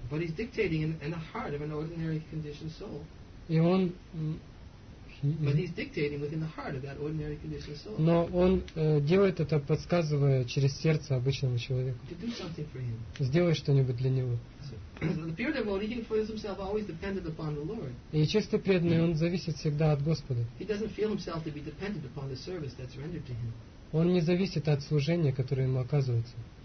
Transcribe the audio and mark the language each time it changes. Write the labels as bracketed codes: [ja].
[en] But he's dictating in the heart of an ordinary conditioned soul. [ru] И он [en] But he's dictating within the heart of that ordinary conditioned soul. [ru] Но он делает это, подсказывая через сердце обычному человеку. [en] To do something for him. [ru] Сделай что-нибудь для него. [en] So, the pure devotee, he can feel himself always dependent upon the Lord. [ru] И чистый преданный, он зависит всегда от Господа. [en] He doesn't feel himself to be dependent upon the service that's rendered to him. [ru] Он не зависит от служения, которое ему оказывается.